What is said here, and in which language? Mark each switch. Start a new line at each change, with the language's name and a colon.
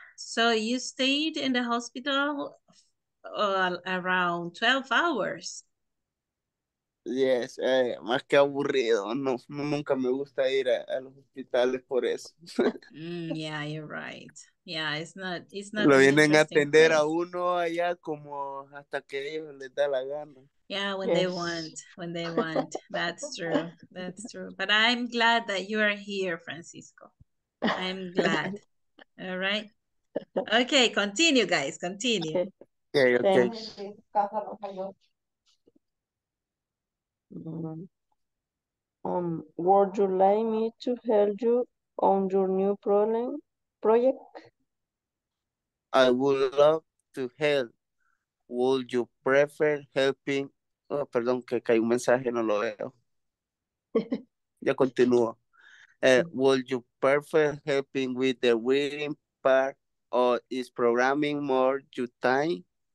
English: So you stayed in the hospital around 12 hours.
Spanish: Yes, más que aburrido. No, nunca me gusta ir a los hospitales por eso.
English: Yeah, you're right. Yeah, it's not.
Spanish: Lo vienen a atender a uno allá como hasta que ellos les da la gana.
English: Yeah, when they want. That's true. But I'm glad that you are here, Francisco. I'm glad. All right. Okay, continue, guys. Continue. Okay. Would you like me to help you on your new project? I would love to help. Would you prefer helping?
Spanish: Oh, perdón, que cayó un mensaje, no lo veo. Ya continúo.
English: Would you prefer helping with the reading part or is programming more your time?